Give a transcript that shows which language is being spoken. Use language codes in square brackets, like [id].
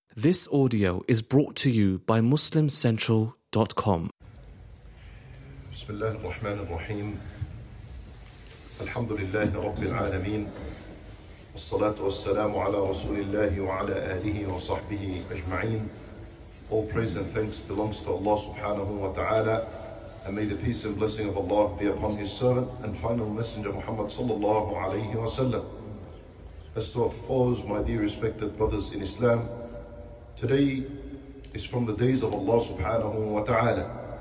[en] This audio is brought to you by MuslimCentral.com. [ar] بسم الله الرحمن الرحيم الحمد لله رب العالمين والصلاة والسلام على رسول الله وعلى آله وصحبه أجمعين. [en] All praise and thanks belongs to Allah [ar] سبحانه وتعالى. [en] And may the peace and blessing of Allah be upon His servant and final messenger Muhammad [ar] صلى الله عليه وسلم. [en] As to our foes, my dear respected brothers in Islam, today is from the days of Allah subhanahu wa ta'ala.